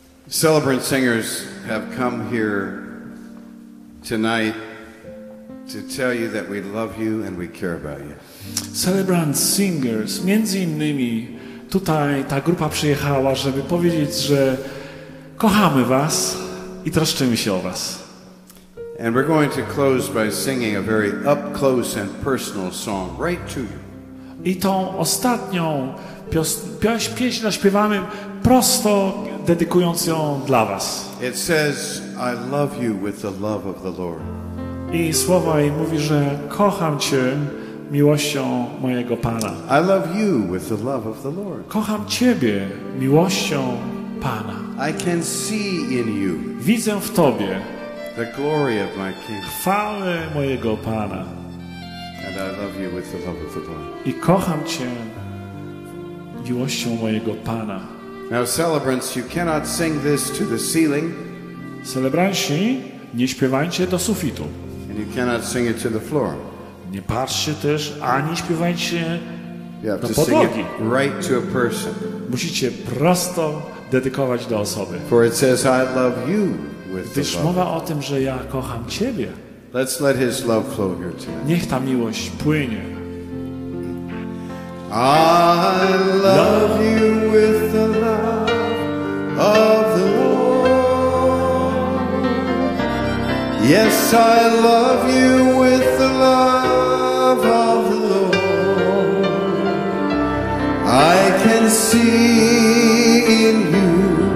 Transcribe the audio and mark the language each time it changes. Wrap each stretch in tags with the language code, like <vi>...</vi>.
<en>Celebrant singers have come here tonight to tell you that we love you and we care about you.</en> <pl>Celebrant singers, między innymi tutaj ta grupa przyjechała, żeby powiedzieć, że kochamy was i troszczymy się o was.</pl> <en>And we're going to close by singing a very up close and personal song right to you.</en> <pl>I tą ostatnią pieśń zaśpiewamy prosto, dedykując ją dla was.</pl> <en>It says, "I love you with the love of the Lord."</en> <pl>I słowa jej mówi, że kocham cię miłością mojego Pana.</pl> <en>I love you with the love of the Lord.</en> <pl>Kocham ciebie miłością Pana.</pl> <en>I can see in you.</en> <pl>Widzę w tobie.</pl> <en>The glory of my King.</en> <pl>Chwałę mojego Pana.</pl> <en>And I love you with the love of the Lord.</en> <pl>I kocham cię miłością mojego Pana.</pl> <en>Now, celebrants, you cannot sing this to the ceiling.</en> <pl>Celebranci, nie śpiewajcie do sufitu.</pl> <en>And you cannot sing it to the floor.</en> <pl>Nie patrzcie też ani śpiewajcie do podłogi.</pl> <en>Sing it right to a person.</en> <pl>Musicie prosto dedykować do osoby.</pl> <en>For it says, I love you.</en> <pl>Gdyż mowa o tym, że ja kocham ciebie.</pl> <en>Let's let his love flow here tonight.</en> <pl>Niech ta miłość płynie.</pl> <en>I love you with the love of the Lord. Yes, I love you with the love of the Lord. I can see in you.</en>